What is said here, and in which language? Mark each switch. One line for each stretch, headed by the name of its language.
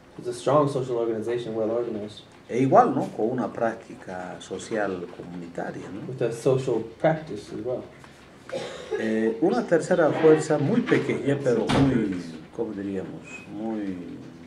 English: It's a strong social organization, well organized.
Spanish: E igual, ¿no? Con una práctica social comunitaria, ¿no?
English: With a social practice as well.
Spanish: Una tercera fuerza muy pequeña, pero muy, ¿cómo diríamos? Muy...